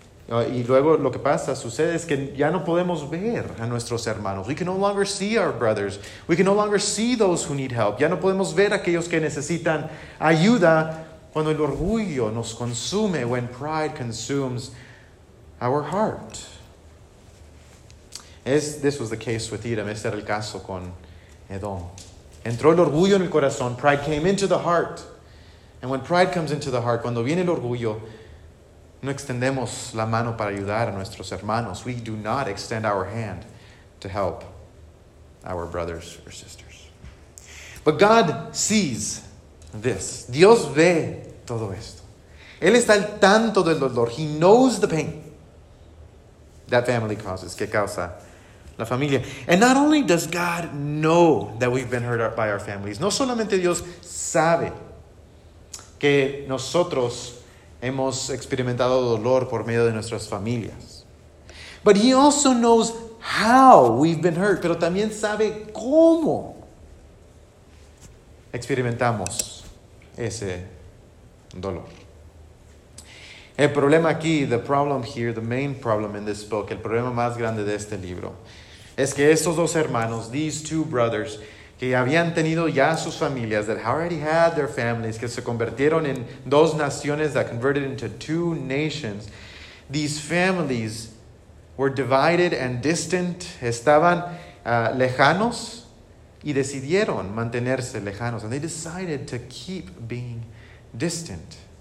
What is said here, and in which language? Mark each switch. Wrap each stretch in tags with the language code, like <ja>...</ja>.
<es>Y luego lo que pasa, sucede, es que ya no podemos ver a nuestros hermanos.</es> <en>We can no longer see our brothers. We can no longer see those who need help.</en> <es>Ya no podemos ver a aquellos que necesitan ayuda cuando el orgullo nos consume,</es> <en>when pride consumes our heart. This was the case with Edom.</en> <es>Este era el caso con Edom. Entró el orgullo en el corazón.</es> <en>Pride came into the heart. And when pride comes into the heart,</en> <es>cuando viene el orgullo, no extendemos la mano para ayudar a nuestros hermanos.</es> <en>We do not extend our hand to help our brothers or sisters. But God sees this.</en> <es>Dios ve todo esto. Él está al tanto del dolor.</es> <en>He knows the pain that family causes.</en> <es>¿Qué causa la familia?</es> <en>And not only does God know that we've been hurt by our families.</en> <es>No solamente Dios sabe que nosotros hemos experimentado dolor por medio de nuestras familias.</es> <en>But he also knows how we've been hurt.</en> <es>Pero también sabe cómo experimentamos ese dolor. El problema aquí,</es> <en>the problem here, the main problem in this book,</en> <es>el problema más grande de este libro, es que estos dos hermanos,</es> <en>these two brothers,</en> <es>que habían tenido ya sus familias,</es> <en>that already had their families,</en> <es>que se convirtieron en dos naciones,</es> <en>that converted into two nations, these families were divided and distant,</en> <es>estaban lejanos, y decidieron mantenerse lejanos,</es> <en>and they decided to keep being distant.</en>